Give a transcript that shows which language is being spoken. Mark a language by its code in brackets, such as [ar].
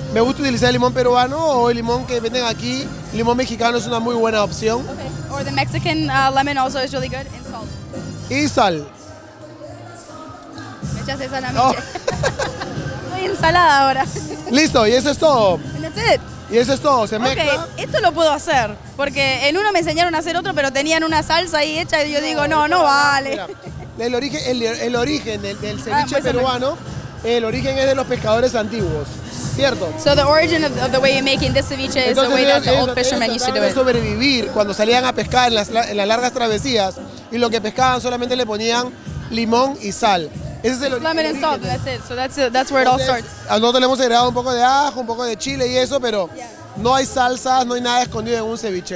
[es] Me gusta utilizar el limón peruano o el limón que venden aquí. El limón mexicano es una muy buena opción. [en] Okay. Or the Mexican lemon also is really good. And salt. [es] Y sal. Me echas esa la noche. Estoy ensalada ahora. Listo, y eso es todo. [en] And that's it. [es] Y eso es todo, se mezcla. Ok, esto lo puedo hacer. Porque en uno me enseñaron a hacer otro, pero tenían una salsa ahí hecha y yo digo, no vale. Mira, el origen del ceviche peruano, el origen es de los pescadores antiguos. ¿Cierto? [en] So the origin of the way you're making this ceviche is [es] entonces, [en] the way that the old fishermen used to do it. [es] De sobrevivir cuando salían a pescar en las largas travesías y lo que pescaban solamente le ponían limón y sal. Ese es el [en] lemon and salt, that's it. So that's where [es] entonces, [en] it all starts. [es] Nosotros le hemos agregado un poco de ajo, un poco de chile y eso, pero no hay salsas, no hay nada escondido en un ceviche.